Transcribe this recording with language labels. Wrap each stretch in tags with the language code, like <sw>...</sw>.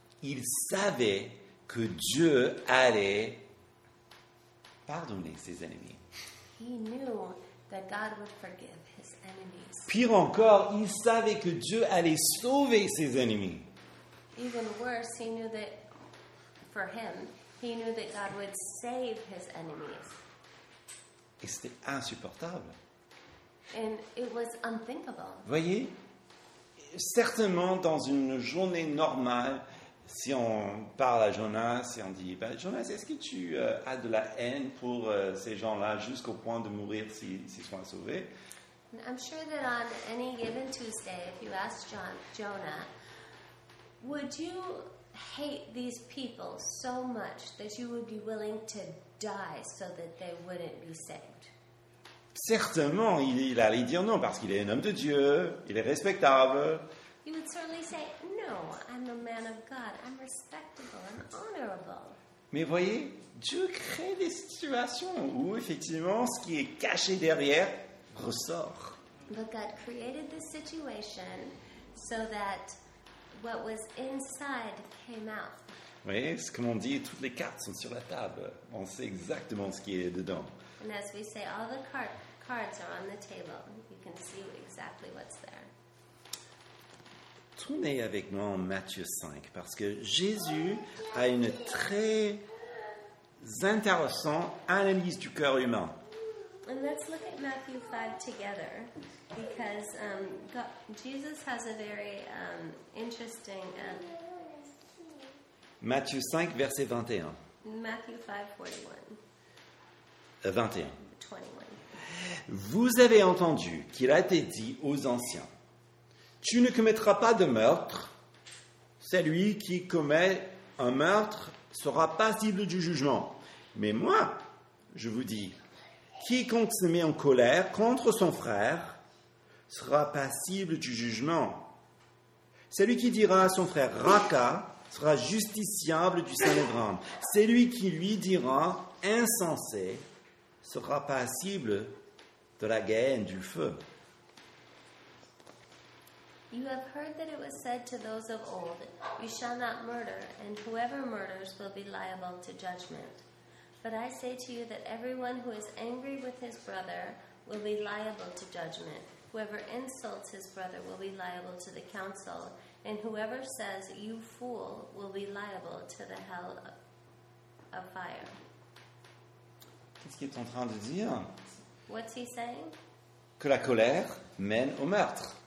<fr>Il savait que Dieu allait pardonner ses ennemis.</fr> <en>He knew that God would forgive his enemies.</en> <fr>Pire encore, il savait que Dieu allait sauver ses ennemis.</fr> <en>Even worse, he knew that for him, he knew that God would save his enemies.</en> <fr>Et c'était insupportable.</fr> <en>And it was unthinkable.</en> <fr>Vous voyez, certainement dans une journée normale, si on parle à Jonas et on dit, ben, Jonas, est-ce que tu as de la haine pour ces gens-là jusqu'au point de mourir s'ils sont sauvés?</fr> <en>I'm sure that on any given Tuesday, if you ask Jonah, would you hate these people so much that you would be willing to die so that they wouldn't be saved?</en> <fr>Certainement, il allait dire non parce qu'il est un homme de Dieu, il est respectable.</fr> <en>He would certainly say, no, I'm a man of God, I'm respectable, I'm honorable.</en> <fr>Mais voyez, Dieu crée des situations où effectivement ce qui est caché derrière ressort.</fr> <en>But God created this situation so that what was inside came out.</en> <fr>Oui, c'est comme on dit, toutes les cartes sont sur la table. On sait exactement ce qui est dedans.</fr> <en>And as we say, all the cards are on the table. You can see exactly what's there.</en> <fr>Tournez avec moi en Matthieu 5, parce que Jésus a une très intéressante analyse du cœur humain.</fr> <en>And let's look at Matthew 5 together, because Jesus has a very interesting...</en> <fr>Matthieu 5, verset 21.</fr> <en>Matthew 5, 41.</en> <fr>21. Vous avez entendu qu'il a été dit aux anciens, « Tu ne commettras pas de meurtre, celui qui commet un meurtre sera passible du jugement. Mais moi, je vous dis, quiconque se met en colère contre son frère sera passible du jugement. Celui qui dira à son frère « Raca » sera justiciable du Saint-Lébran. Celui qui lui dira « Insensé » sera passible de la guerre du feu. »</fr> <en>You have heard that it was said to those of old, you shall not murder, and whoever murders will be liable to judgment. But I say to you that everyone who is angry with his brother will be liable to judgment. Whoever insults his brother will be liable to the council, and whoever says, you fool, will be liable to the hell of fire.</en> <fr>Qu'est-ce qu'il est en train de dire?</fr> <en>What's he saying?</en> <fr>Que la colère mène au meurtre.</fr>